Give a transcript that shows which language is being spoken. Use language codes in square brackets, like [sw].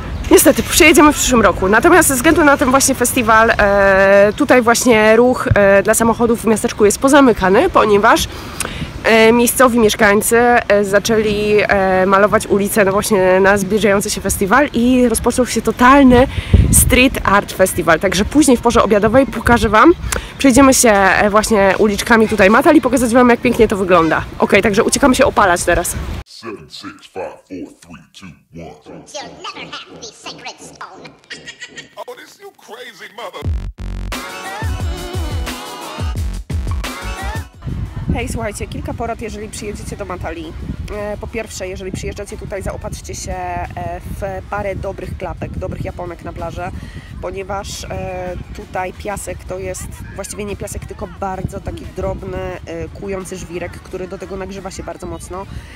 [pl] Niestety, przyjedziemy w przyszłym roku. Natomiast ze względu na ten właśnie festiwal, tutaj właśnie ruch dla samochodów w miasteczku jest pozamykany, ponieważ miejscowi mieszkańcy zaczęli malować ulice właśnie na zbliżający się festiwal i rozpoczął się totalny street art festival. Także później w porze obiadowej pokażę Wam, przejdziemy się właśnie uliczkami tutaj Matali, pokazać Wam, jak pięknie to wygląda. Ok, także uciekamy się opalać teraz. 7, 6, 5, 4, 3, 2, 1. [en] You'll never have the sacred stone. Oh, this you crazy mother... [pl] Hej, słuchajcie, kilka porad, jeżeli przyjedziecie do Matali. Po pierwsze, jeżeli przyjeżdżacie tutaj, zaopatrzcie się w parę dobrych klapek, dobrych japonek na plażę, ponieważ tutaj piasek to jest właściwie nie piasek, tylko bardzo taki drobny, kłujący żwirek, który do tego nagrzewa się bardzo mocno.